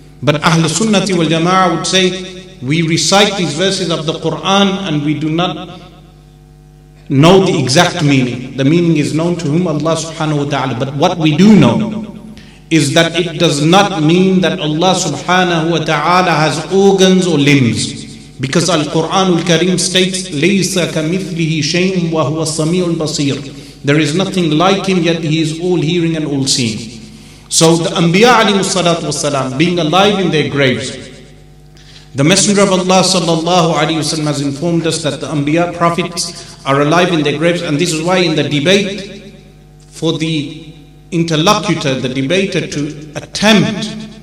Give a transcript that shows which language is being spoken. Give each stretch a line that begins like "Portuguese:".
English: But Ahlul Sunnati wal Jama'ah would say, we recite these verses of the Quran and we do not know the exact meaning. The meaning is known to whom? Allah subhanahu wa ta'ala. But what we do know is that it does not mean that Allah subhanahu wa ta'ala has organs or limbs.
Arabic: Because Al-Quran Al-Kareem states, لَيْسَ كَمِثْلِهِ شَيْءٌ وَهُوَ السَّمِيعُ الْبَصِيرُ.
English: There is nothing like him, yet he is all hearing and all seeing. So the Anbiya alayhi salatu wasalam, being alive in their graves, the Messenger of Allah sallallahu alayhi wasallam has informed us that the Anbiya prophets are alive in their graves, and this is why in the debate, for the interlocutor, the debater, to attempt